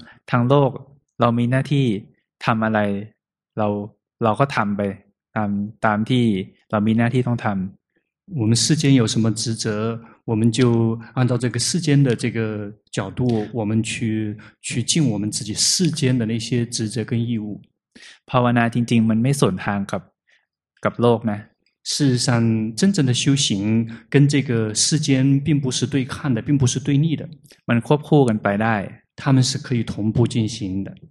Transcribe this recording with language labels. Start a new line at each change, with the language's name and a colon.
Thai: ทางโลกเรามีหน้าที่ทำอะไรเราก็ทำไปตามที่เรามีหน้าที่ต้องทำ
Chinese: 我们世间有什么职责我们就按照这个世间的这个角度我们去尽我们自己世间的那些职责跟义务
Thai: ภาวนาจริงๆมันไม่สนทางกับโลกนะ
Chinese: 事实上真正的修行跟这个世间并不是对抗的并不是对立的
Thai: มันควบคู่กันไปได้
Chinese: 他们是可以同步进行的